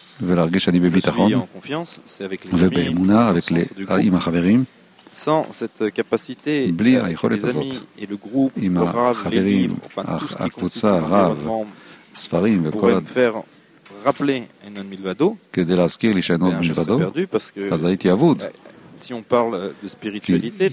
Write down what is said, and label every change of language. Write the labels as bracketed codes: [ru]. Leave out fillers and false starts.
[fr] Je suis en confiance. C'est avec les amis, avec les amis. Sans cette capacité, avec les amis et le groupe, les livres, enfin tout ce qui constitue le développement, pourrait me faire rappeler un autre milvado, [he] כדי להזכיר לי שאין עוד מלבדו, אז הייתי אבוד. [fr] Si on parle de spiritualité,